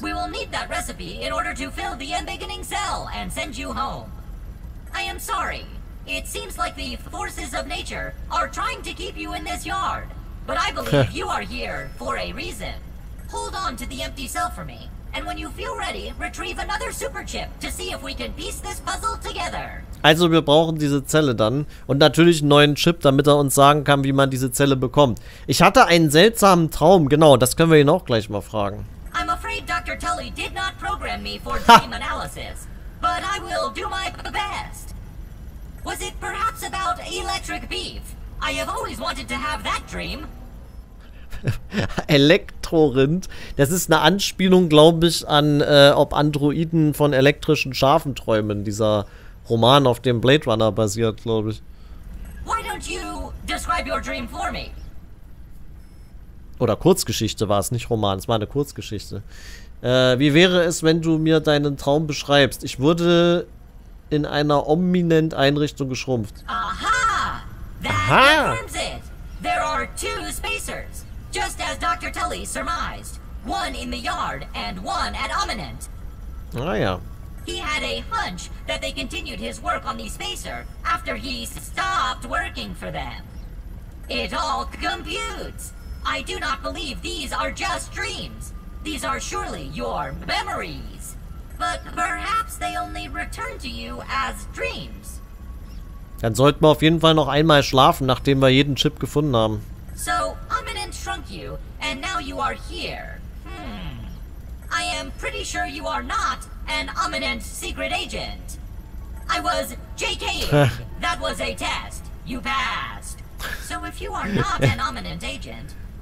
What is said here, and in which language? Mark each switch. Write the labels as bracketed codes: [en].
[en] We will need that recipe in order to fill the embiggening cell and send you home. I am sorry. It seems like the forces of nature are trying to keep you in this yard. But I believe you are here for a reason. Hold on to the empty cell for me. And when you feel ready, retrieve another super chip to see if we can piece this puzzle together. [de] Also wir brauchen diese Zelle dann und natürlich einen neuen Chip, damit er uns sagen kann, wie man diese Zelle bekommt. Ich hatte einen seltsamen Traum, genau, das können wir ihn auch gleich mal fragen. [en] I'm afraid Dr. Tully did not program me for dream analysis, but I will do my best. Was it perhaps about electric beef? I have always wanted to have that dream. [de] Elektrorind. Das ist eine Anspielung, glaube ich, an ob Androiden von elektrischen Schafen träumen. Dieser Roman, auf dem Blade Runner basiert, glaube ich. [en] Why don't you describe your dream for me? [de] Oder Kurzgeschichte war es, nicht Roman. Es war eine Kurzgeschichte. Wie wäre es, wenn du mir deinen Traum beschreibst? Ich wurde in einer ominent Einrichtung geschrumpft. [en] Aha! That confirms it. There are two spacers. Just as Dr. Tully surmised, one in the yard and one at Ominent. [de] Ah, ja. [en] He had a hunch that they continued his work on the spacer after he stopped working for them. It all computes. I do not believe these are just dreams. These are surely your memories. But perhaps they only return to you as dreams. [de] Dann sollten wir auf jeden Fall noch einmal schlafen, nachdem wir jeden Chip gefunden haben. [en] So, Ominent shrunk you, and now you are here. I am pretty sure you are not an Ominent secret agent. I was JKing. That was a test. You passed. So if you are not an Ominent agent,